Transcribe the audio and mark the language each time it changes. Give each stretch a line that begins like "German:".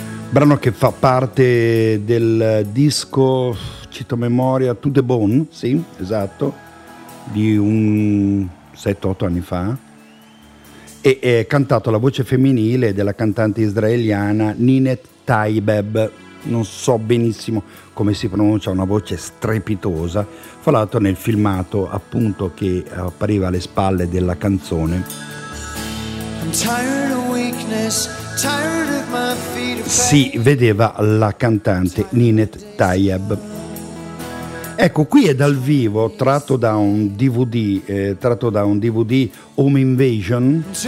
Italian: brano che fa parte del disco, cito memoria, To the Bone, sì, esatto, di un 7-8 anni fa, e è cantato la voce femminile della cantante israeliana Ninet Taibeb, non so benissimo come si pronuncia, una voce strepitosa, fra l'altro nel filmato appunto che appariva alle spalle della canzone.
English: I'm tired of weakness, tired of my feet.
Italian: Si vedeva la cantante Ninet Taibeb. Ecco, qui è dal vivo, tratto da un DVD Home Invasion.